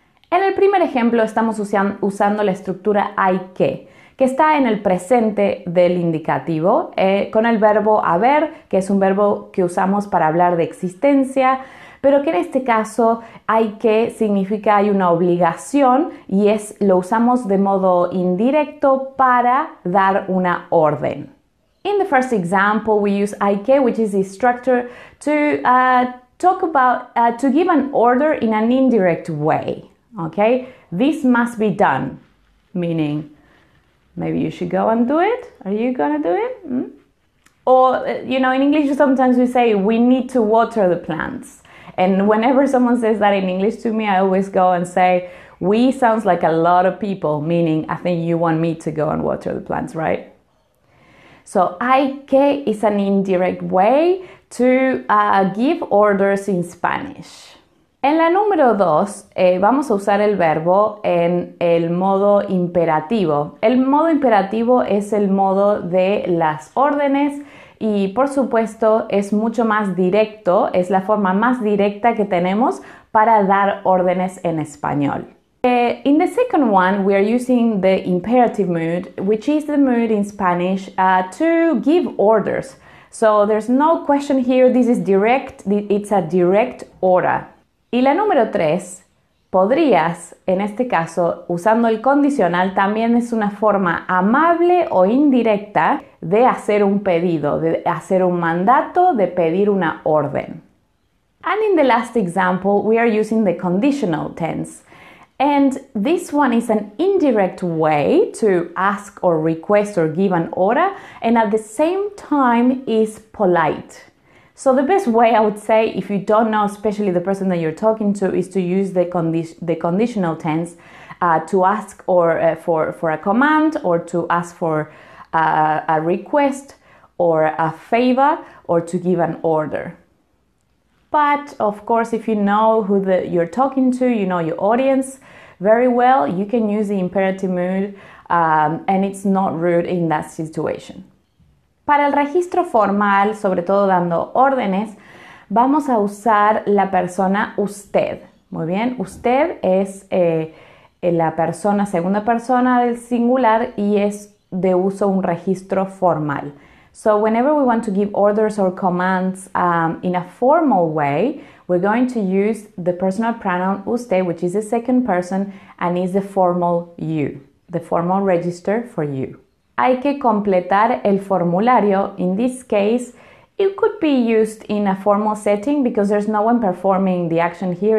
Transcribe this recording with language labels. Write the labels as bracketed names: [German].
[Spanish] En el primer ejemplo estamos usando la estructura hay que está en el presente del indicativo, con el verbo haber, que es un verbo que usamos para hablar de existencia, pero que en este caso hay que significa hay una obligación y es lo usamos de modo indirecto para dar una orden. [English] In the first example, we use hay que, which is the structure to talk about to give an order in an indirect way. Okay, this must be done, meaning maybe you should go and do it. Are you gonna do it? Or you know, in English, sometimes we say we need to water the plants. And whenever someone says that in English to me, I always go and say, we sounds like a lot of people, meaning I think you want me to go and water the plants, right? So hay que is an indirect way to give orders in Spanish. [Spanish] En la número dos, vamos a usar el verbo en el modo imperativo. El modo imperativo es el modo de las órdenes. Y por supuesto es mucho más directo, es la forma más directa que tenemos para dar órdenes en español. [English] In the second one, we are using the imperative mood, which is the mood in Spanish to give orders. So there's no question here, this is direct, it's a direct order. [Spanish] Y la número tres, podrías, en este caso, usando el condicional, también es una forma amable o indirecta de hacer un pedido, de hacer un mandato, de pedir una orden. [English] And in the last example, we are using the conditional tense. And this one is an indirect way to ask or request or give an order, and at the same time is polite. So the best way I would say, if you don't know, especially the person that you're talking to, is to use the conditional tense to ask or for a command or to ask for a request or a favor or to give an order. But of course, if you know who you're talking to, you know your audience very well, you can use the imperative mood and it's not rude in that situation. [Spanish] Para el registro formal, sobre todo dando órdenes, vamos a usar la persona usted, Muy bien, usted es la persona, segunda persona del singular y es de uso un registro formal. [English] So whenever we want to give orders or commands in a formal way, we're going to use the personal pronoun usted, which is the second person and is the formal you, the formal register for you. [Spanish] Hay que completar el formulario. [English] In this case, it could be used in a formal setting because there's no one performing the action here.